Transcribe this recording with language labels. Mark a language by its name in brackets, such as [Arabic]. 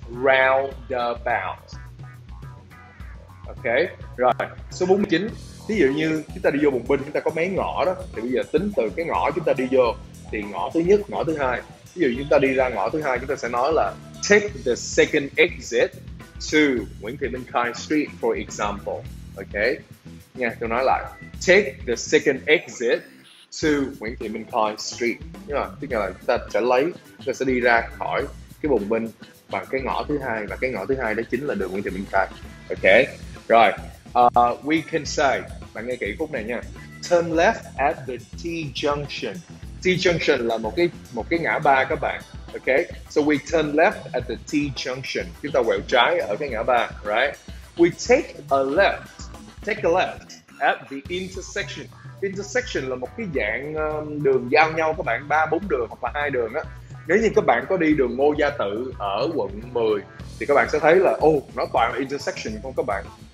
[Vietnamese] Roundabout. Ok, rồi, số 49. Ví dụ như chúng ta đi vô bụng bên, chúng ta có mấy ngõ đó, thì bây giờ tính từ cái ngõ chúng ta đi vô thì ngõ thứ nhất, ngõ thứ hai. Ví dụ chúng ta đi ra ngõ thứ hai, chúng ta sẽ nói là [English] take the second exit to Nguyễn Thị Minh Khai Street, for example. [Vietnamese] Ok, nha, tôi nói lại. [English] Take the second exit to Nguyễn Thị Minh Khai Street. [Vietnamese] Tức là chúng ta sẽ đi ra khỏi cái bùng binh bằng cái ngõ thứ hai. Và cái ngõ thứ hai đó chính là đường Nguyễn Thị Minh Khai. Ok, rồi. [English] We can say, [Vietnamese] bạn nghe kỹ khúc này nha. [English] Turn left at the T junction. [Vietnamese] T junction là một cái ngã ba các bạn. [English] Okay, so we turn left at the T junction. [Vietnamese] Chúng ta quẹo trái ở cái ngã ba, right? [English] We take a left at the intersection. [Vietnamese] Intersection là một cái dạng đường giao nhau các bạn, ba bốn đường hoặc là hai đường á. Nếu như các bạn có đi đường Ngô Gia Tự ở quận 10 thì các bạn sẽ thấy là nó toàn là intersection không các bạn.